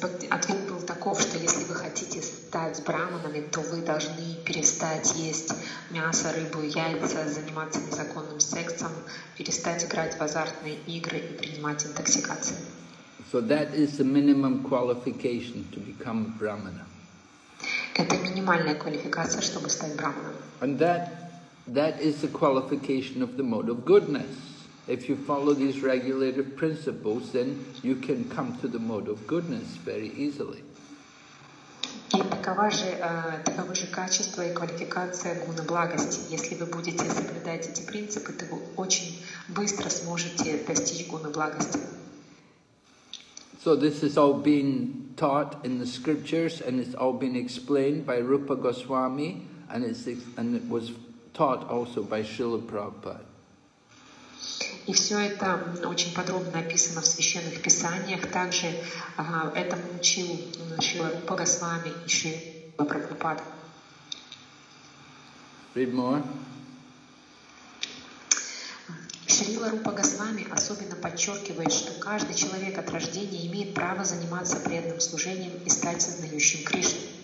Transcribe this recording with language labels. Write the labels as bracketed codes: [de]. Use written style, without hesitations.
[ru] Ответ был таков, что если вы хотите стать браманами, то вы должны перестать есть мясо, рыбу, яйца, заниматься незаконным сексом, перестать играть в азартные игры и принимать интоксикации. [en] So that is the minimum qualification to become a brahmana. [ru] Это минимальная квалификация, чтобы стать браманом. [en] And that is the qualification of the mode of goodness. If you follow these regulative principles, then you can come to the mode of goodness very easily. [ru] И таковы же качества и квалификация гуна благости. Если вы будете соблюдать эти принципы, то вы очень быстро сможете достичь гуна благости. [en] So this is all being taught in the scriptures, and it's all been explained by Rupa Goswami, and it was taught also by Srila Prabhupada. [ru] И все это очень подробно описано в священных писаниях. Также этому учил Шрила Рупа Госвами и Шрила Прабхупада. [en] Read more. [ru] Шрила Рупа Госвами особенно подчеркивает, что каждый человек от рождения имеет право заниматься преданным служением и стать сознающим Кришну.